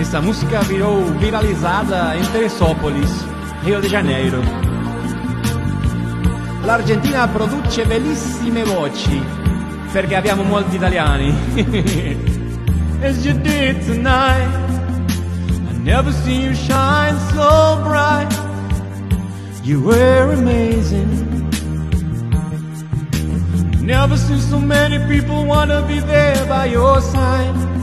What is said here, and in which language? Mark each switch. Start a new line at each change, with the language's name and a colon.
Portuguese: Essa música virou viralizada em Teresópolis, Rio de Janeiro.
Italian: L'Argentina produce bellissime voci, perché abbiamo molti italiani.
English: As you did tonight, I never seen you shine so bright. You were amazing. Never seen so many people wanna be there by your side.